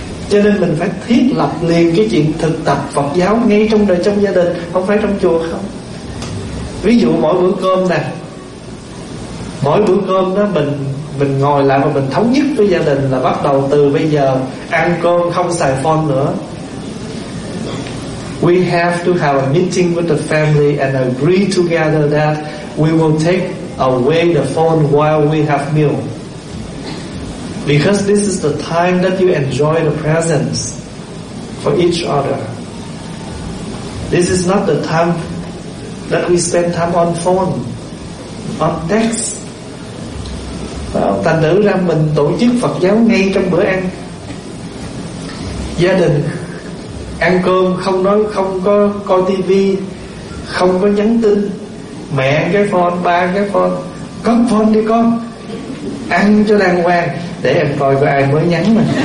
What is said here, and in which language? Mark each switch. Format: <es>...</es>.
<vi>Cho nên mình phải thiết lập liền cái chuyện thực tập Phật giáo ngay trong đời, trong gia đình, không phải trong chùa không. Ví dụ mỗi bữa cơm nè, mỗi bữa cơm đó mình ngồi lại và mình thống nhất với gia đình là bắt đầu từ bây giờ ăn cơm không xài phone nữa.</vi> <en>We have to have a meeting with the family and agree together that we will take away the phone while we have meal, because this is the time that you enjoy the presence for each other. This is not the time that we spend time on phone, on text.</en> <vi>Thành thử ra mình tổ chức Phật giáo ngay trong bữa ăn. Gia đình ăn cơm không nói, không có coi tivi, không có nhắn tin. Mẹ cái phone, ba cái phone, cất phone đi con, ăn cho đàng hoàng, để em coi có ai mới nhắn mà.</vi>